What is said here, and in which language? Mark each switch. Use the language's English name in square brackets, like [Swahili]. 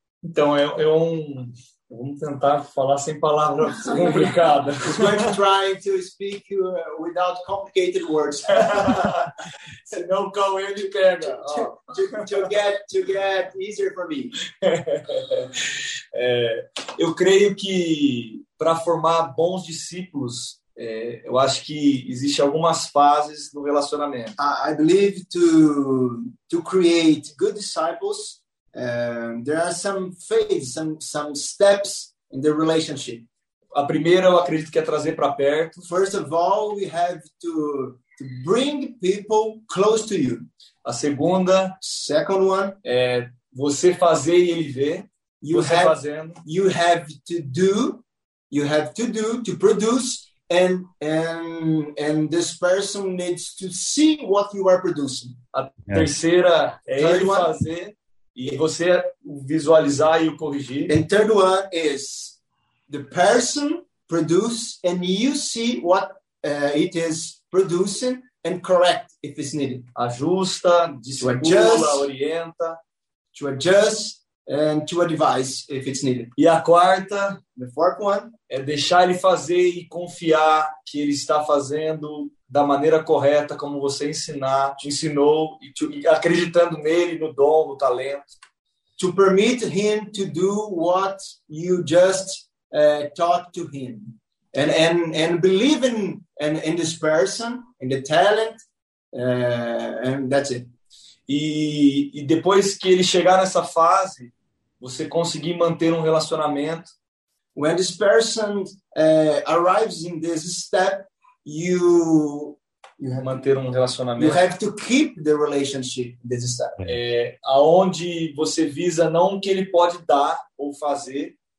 [Portuguese] Então, vamos tentar falar sem palavras complicadas. [English] I'm going to try to speak without complicated words. [Portuguese] Se não come, ele pega. [English] To get easier for me. [Portuguese] Eu creio que para formar bons discípulos, eu acho que existe algumas fases no relacionamento. [English] I believe to create good disciples, there are some phases, some steps in the relationship. [Portuguese] A primeira, eu acredito que é trazer para perto. [English] First of all, we have to bring people close to you. [Portuguese] A segunda, [English] second one, [Portuguese] é você fazer e ele ver. [English] You [Portuguese] você [English] have, [Portuguese] fazendo. [English] You have to do to produce. And this person needs to see what you are producing. [Portuguese] A terceira é ele fazer e você visualizar e o corrigir. [English] And third one is the person produce and you see what it is producing and correct if it's needed. [Portuguese] Ajusta, discipula, orienta. [English] To adjust and to advise if it's needed. [Portuguese] E a quarta, [English] the fourth one, [Portuguese] é deixar ele fazer e confiar que ele está fazendo da maneira correta como você te ensinou e acreditando nele, no dom, no talento. [English] To permit him to do what you just taught to him. And believing in this person, in the talent, and that's it. [Portuguese] E depois que ele chegar nessa fase, você conseguir manter relacionamento. [English] When this person arrives in this step, you have [Portuguese] manter relacionamento. [English] You have to keep the relationship in this step. [Portuguese] Aonde você visa não o que ele pode dar ou fazer.